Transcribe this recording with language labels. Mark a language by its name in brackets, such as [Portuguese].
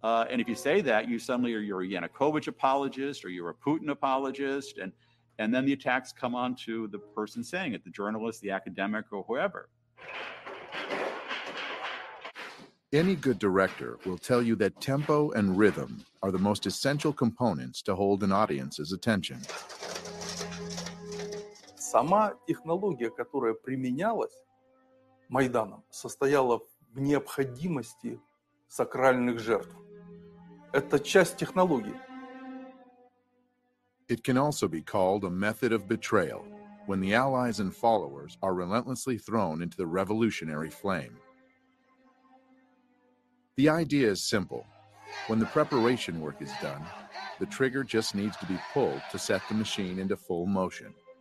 [English] And if you say that, you suddenly are you're a Yanukovych apologist or you're a Putin apologist, and then the attacks come on to the person saying it, the journalist, the academic, or whoever. Any good director will tell you that tempo and rhythm are the most essential components to hold an audience's attention. [Russian] Сама технология, которая применялась Майданом, состояла в необходимости сакральных жертв. Это часть технологии. [English] It can also be called a method of betrayal, when the allies and followers are relentlessly thrown into the revolutionary flame. The idea is simple. When the preparation work is done, the trigger just needs to be pulled to set the machine into full motion.